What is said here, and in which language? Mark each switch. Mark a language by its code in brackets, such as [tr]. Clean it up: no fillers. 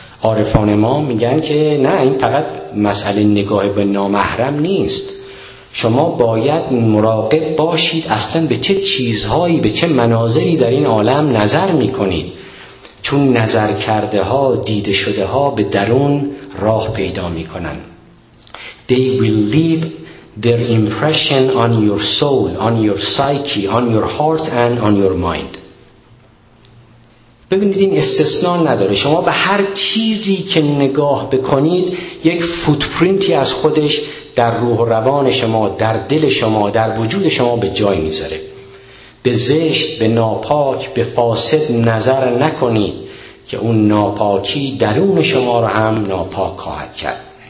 [fa] عارفان ما میگن که نه، این فقط مسئله نگاه به نامحرم نیست. شما باید مراقب باشید اصلا به چه چیزهایی، به چه مناظری در این عالم نظر میکنید، چون نظر کرده ها، دیده شده ها به درون راه پیدا میکنن. [en] They will leave their impression on your soul, on your psyche, on your heart and on your mind. [fa] ببینید این استثنا نداره. شما به هر چیزی که نگاه بکنید یک فوتپرینتی از خودش در روح و روان شما، در دل شما، در وجود شما به جای میذاره. به زشت، به ناپاک، به فاسد نظر نکنید که اون ناپاکی درون شما رو هم ناپاک خواهد کرد.